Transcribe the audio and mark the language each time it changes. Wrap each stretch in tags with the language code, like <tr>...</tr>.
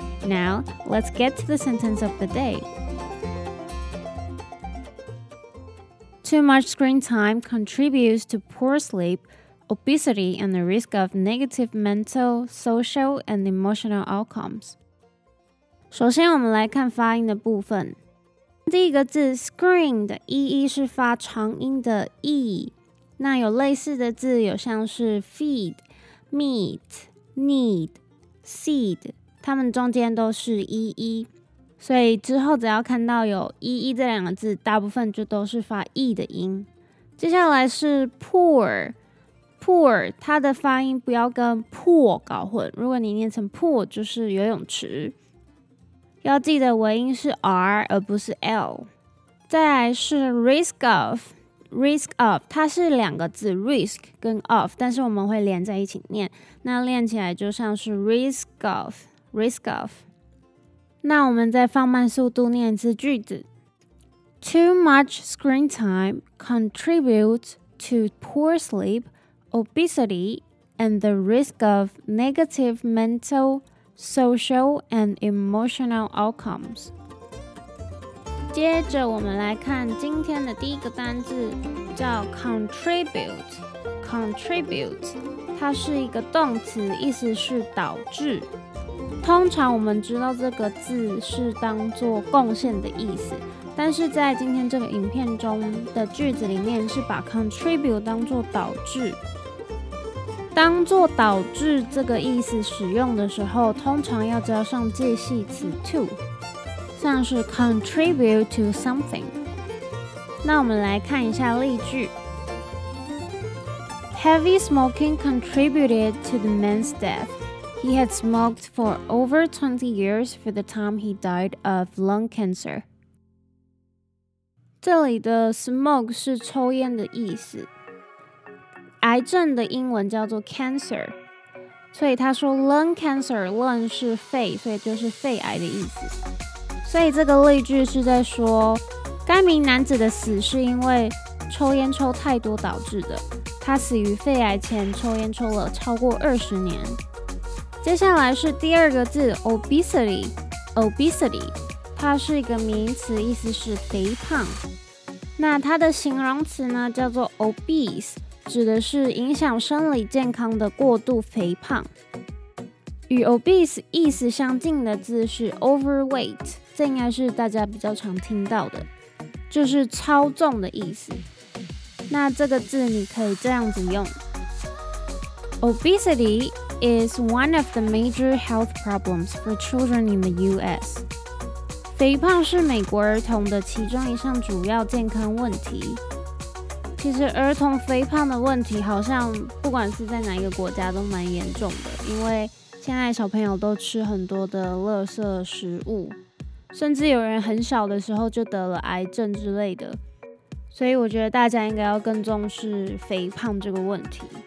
<en>Now, let's get to the sentence of the day. Too much screen time contributes to poor sleep, obesity, and the risk of negative mental, social, and emotional outcomes.</en> <zh>首先我们来看发音的部分。第一个字 screen 的 EE 是发长音的 E。那有类似的字有像是 feed, meet, need, seed,它们中间都是 EE， 所以之后只要看到有 EE 这两个字，大部分就都是发 E 的音。接下来是 pool， 它的发音不要跟 pool 搞混，如果你念成 pool 就是游泳池，要记得尾音是 R 而不是 L。再来是 risk of， 它是两个字 risk 跟 of， 但是我们会连在一起念，那练起来就像是 risk of。那我们再放慢速度念一次句子。</zh> <en>Too much screen time contributes to poor sleep, obesity, and the risk of negative mental, social, and emotional outcomes.</en> <zh>接着我们来看今天的第一个单字，叫 contribute。 Contribute 它是一个动词，意思是导致。通常我们知道这个字是当作贡献的意思，但是在今天这个影片中的句子里面是把 contribute 当作导致。当作导致这个意思使用的时候，通常要加上介系词 to， 像是</zh> <en>contribute to something。</en> <zh>那我们来看一下例句。</zh> <en>Heavy smoking contributed to the man's deathHe had smoked for over 20 years for the time he died of lung cancer.</en> <zh>这里的 smoke 是抽烟的意思。癌症的英文叫做 cancer。所以他说 lung cancer, lung 是肺，所以就是肺癌的意思。所以这个例句是在说该名男子的死是因为抽烟抽太多导致的。他死于肺癌前抽烟抽了超过20年。接下来是第二个字 obesity， 它是一个名词，意思是肥胖。那它的形容词呢叫做 obese， 指的是影响生理健康的过度肥胖。与 obese 意思相近的字是 overweight， 这应该是大家比较常听到的，就是超重的意思。那这个字你可以这样子用，</zh> <en>obesityis one of the major health problems for children in the U.S.</en> <zh>肥胖是美国儿童的其中一项主要健康问题。其实儿童肥胖的问题好像不管是在哪一个国家都蛮严重的，因为现在小朋友都吃很多的垃圾食物，甚至有人很小的时候就得了癌症之类的，所以我觉得大家应该要更重视肥胖这个问题。</zh>